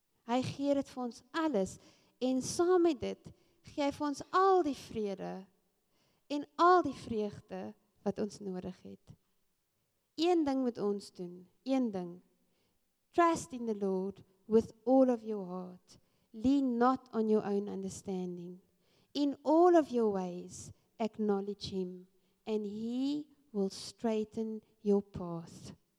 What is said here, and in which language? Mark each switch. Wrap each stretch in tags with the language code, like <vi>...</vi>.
<af>Hy gee dit vir ons alles en saam met dit gee hy vir ons al die vrede en al die vreugde wat ons nodig het. Een ding moet ons doen, een ding.</af> <en>Trust in the Lord with all of your heart. Lean not on your own understanding. In all of your ways, acknowledge him, and he will straighten your path.</en>